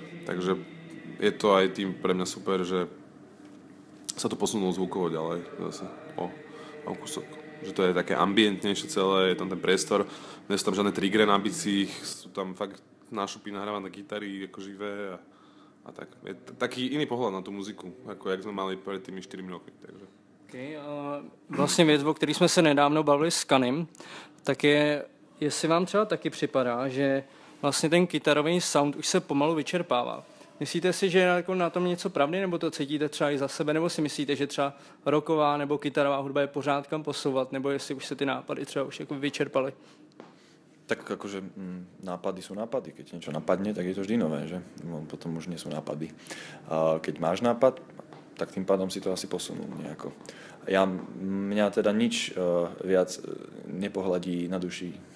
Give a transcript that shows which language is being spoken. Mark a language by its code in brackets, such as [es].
[sk] Takže je to aj tým pre mňa super, že sa to posunulo zvukovo ďalej zase o kusok. Že to je také ambientnejšie celé, je tam ten priestor, nie sú tam žiadne triggery na bicích, sú tam fakt nášupy nahrávané gitary ako živé a tak. Je taký iný pohľad na tú muziku, ako jak sme mali pred tými 4 roky. Takže. [cs] Vlastně věc, o který jsme se nedávno bavili s Kanim, tak je, jestli vám třeba taky připadá, že vlastně ten kytarový sound už se pomalu vyčerpává. Myslíte si, že je na tom něco pravdy, nebo to cítíte třeba i za sebe, nebo si myslíte, že třeba rocková nebo kytarová hudba je pořád kam posouvat, nebo jestli už se ty nápady třeba už jako vyčerpaly? [sk] Tak akože nápady sú nápady. Keď niečo napadne, tak je to vždy nové, že? Potom už nie sú nápady. Keď máš nápad, tak tým pádom si to asi posunul nejako. Mňa teda nič viac nepohladí na duši.